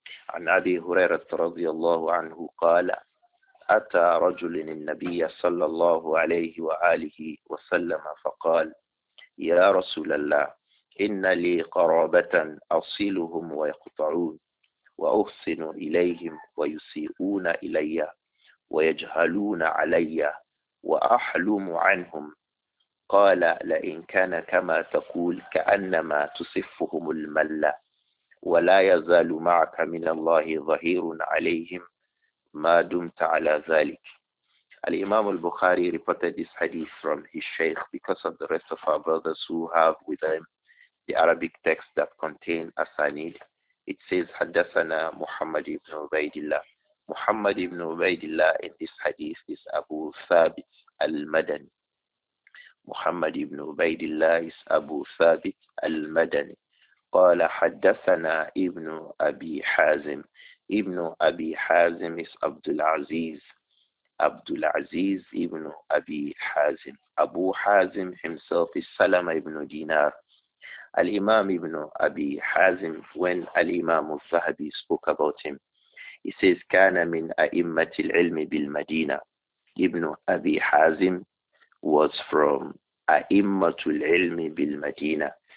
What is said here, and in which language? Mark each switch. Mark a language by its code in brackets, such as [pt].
[ar] عن أبي هريرة رضي الله عنه قال أتى رجل النبي صلى الله عليه وآله وسلم فقال يا رسول الله إن لي قرابة أصلهم ويقطعون وأحسن إليهم ويسيئون إلي ويجهلون علي وأحلم عنهم. قال لئن كان كما تقول كأنما تصفهم الملة ولا يزال معك من الله ظهير عليهم ما دمت على ذلك. [en] الإمام البخاري reported this hadith from his sheikh because of the rest of our brothers who have with them the Arabic text that contain asanid. It says [ar] حدثنا محمد بن عبيد الله. [en] محمد بن عبيد الله in this hadith is Abu Thabit al-Madani. محمد بن عبيد الله is Abu Thabit al-Madani. [ar] قال حدثنا ابن أبي حازم. ابن أبي حازم is عبد العزيز. عبد العزيز ابن أبي حازم. أبو حازم himself is سلمة ابن دينار. [en] Al-Imam ibn Abi Hazim, when Al-Imam al-Zahabi spoke about him, he says, [ar] كان من أئمة العلم بالمدينة. [en] Ibn Abi Hazim was from [ar] أئمة العلم بالمدينة.